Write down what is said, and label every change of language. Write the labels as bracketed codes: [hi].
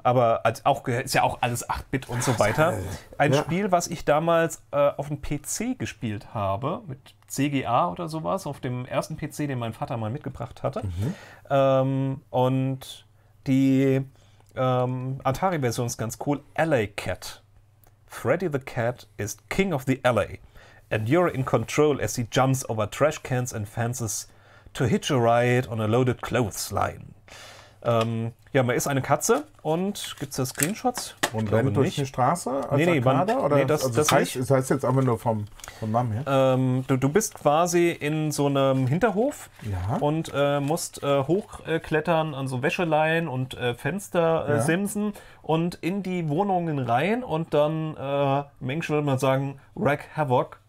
[de] Aber auch ist ja auch alles 8-Bit und so weiter. Ein Spiel, was ich damals auf dem PC gespielt habe, mit CGA oder sowas, auf dem ersten PC, den mein Vater mal mitgebracht hatte. Mhm. Und die Atari-Version ist ganz cool. [en] LA Cat. Freddy the Cat is King of the LA. And you're in control as he jumps over trash cans and fences to hitch a ride on a loaded clothesline. [de] Man ist eine Katze und gibt es da Screenshots? Und rennt durch die Straße als Arcade? Das heißt jetzt einfach nur vom Namen her? Du bist quasi in so einem Hinterhof und musst hochklettern an so Wäscheleien und Fenstersimsen und in die Wohnungen rein und dann, Menschen würde man sagen, [en] Wreck Havoc.